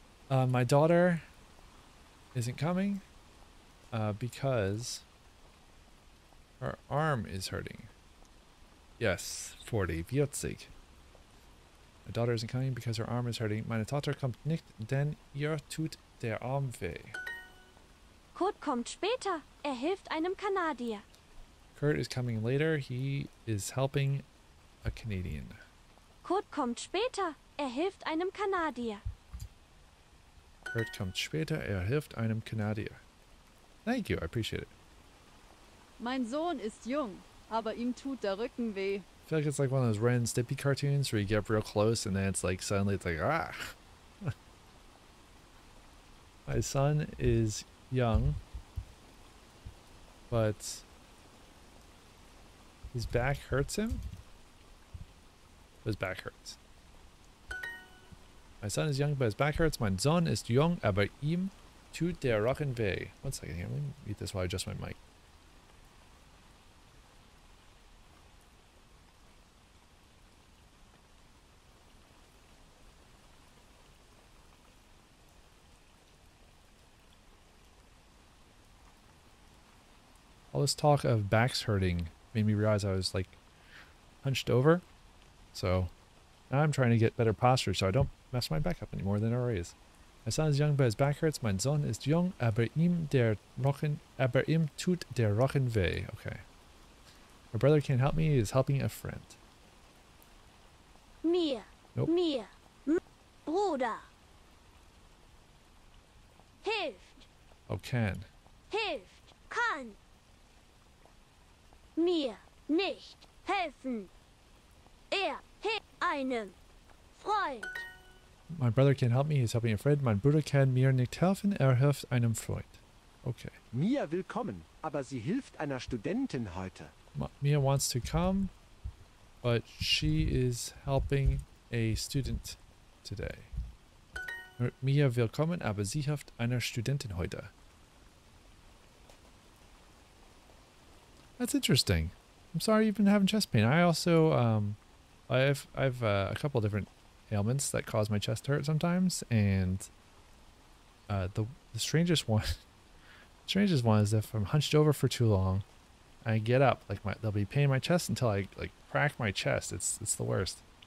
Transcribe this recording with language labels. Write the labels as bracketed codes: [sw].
[en] My daughter isn't coming because her arm is hurting. Yes, 40. Vierzig. My daughter isn't coming because her arm is hurting. [de] Meine Tochter kommt nicht, denn ihr tut der Arm weh. Kurt kommt später. Hilft einem Kanadier. [en] Kurt is coming later. He is helping a Canadian. [de] Kurt kommt später. Hilft einem Kanadier. Kurt kommt später. Hilft einem Kanadier. [en] Thank you. I appreciate it. [de] Mein Sohn ist jung, aber ihm tut der Rücken weh. [en] I feel like it's like one of those Ren Stippy cartoons where you get real close and then it's like suddenly it's like, ah! My son is young, but his back hurts him? His back hurts. My son is young, but his back hurts. [de] Mein Sohn ist jung, aber ihm tut der Rücken weh. [en] One second here, let me mute this while I adjust my mic. All this talk of backs hurting made me realize I was, like, hunched over. So, now I'm trying to get better posture so I don't mess my back up any more than it already is. My son is young, but his back hurts. [de] Mein Sohn ist jung, aber ihm tut der Rücken weh. [en] Okay. My brother can't help me. He is helping a friend. [de] Mir. [en] Nope. [de] Mir. Bruder. Hilft. [en] Oh, can. [de] Hilft. Kann. mir nicht helfen. Er hilft einem Freund. [en] My brother can help me, he's helping a friend. [de] Mein Bruder kann mir nicht helfen, er hilft einem Freund. [en] Okay. [de] Mia will kommen, aber sie hilft einer Studentin heute. [en] Mia wants to come, but she is helping a student today. [de] Mia will kommen, aber sie hilft einer Studentin heute. [en] That's interesting. I'm sorry you've been having chest pain. I also, I have a couple different ailments that cause my chest to hurt sometimes, and the strangest one is if I'm hunched over for too long, I get up, like there'll be pain in my chest until I like crack my chest. It's the worst.